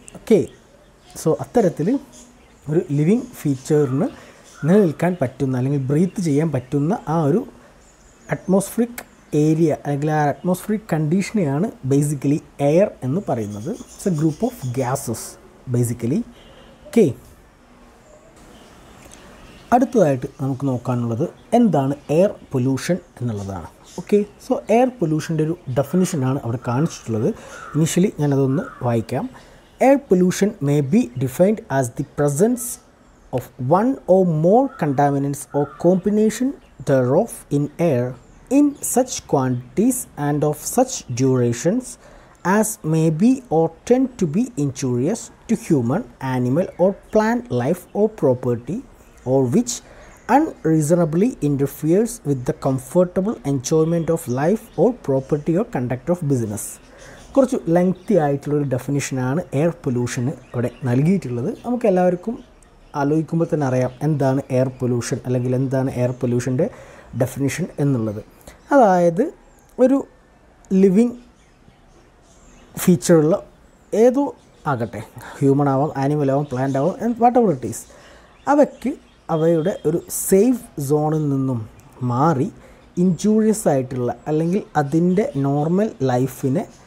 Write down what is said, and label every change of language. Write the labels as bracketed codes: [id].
[ml] Okay, so അത്തരത്തിൽ ഒരു living ഫീച്ചറിന് നിലനിൽക്കാൻ പറ്റുന്ന, അല്ലെങ്കിൽ ബ്രീത്ത് ചെയ്യാൻ പറ്റുന്ന ആ ഒരു അറ്റ്മോസ്ഫിയറിക് ഏരിയ, അല്ലെങ്കിൽ ആ അറ്റ്മോസ്ഫിയറിക് കണ്ടീഷനെയാണ് ബേസിക്കലി എയർ എന്ന് പറയുന്നത്. [en] It's a group of gases basically. [ml] Okay, അടുത്തതായിട്ട് നമുക്ക് നോക്കാനുള്ളത് എന്താണ് എയർ പൊല്യൂഷൻ എന്നുള്ളതാണ്. ഓക്കെ, സോ എയർ പൊല്യൂഷൻ്റെ ഒരു ഡെഫിനിഷനാണ് അവിടെ കാണിച്ചിട്ടുള്ളത്. ഇനീഷ്യലി ഞാനതൊന്ന് വായിക്കാം. [en] Air pollution may be defined as the presence of one or more contaminants or combination thereof in air in such quantities and of such durations as may be or tend to be injurious to human, animal or plant life or property, or which unreasonably interferes with the comfortable enjoyment of life or property or conduct of business. [ml] കുറച്ച് lengthy ആയിട്ടുള്ളൊരു ഡെഫിനിഷനാണ് air പൊല്യൂഷന് ഇവിടെ നൽകിയിട്ടുള്ളത്. നമുക്ക് എല്ലാവർക്കും ആലോചിക്കുമ്പോൾ തന്നെ അറിയാം എന്താണ് എയർ പൊല്യൂഷൻ, അല്ലെങ്കിൽ എന്താണ് എയർ പൊല്യൂഷൻ്റെ ഡെഫിനിഷൻ എന്നുള്ളത്. അതായത് ഒരു ലിവിങ് ഫീച്ചറുള്ള ഏതോ ആകട്ടെ, ഹ്യൂമൺ ആവാം, ആനിമൽ ആവാം, പ്ലാന്റ് ആവാം, [en] and whatever it is, [ml] അവയ്ക്ക് അവയുടെ ഒരു സേഫ് സോണിൽ നിന്നും മാറി ഇഞ്ചൂറിയസ് ആയിട്ടുള്ള, അല്ലെങ്കിൽ അതിൻ്റെ നോർമൽ ലൈഫിനെ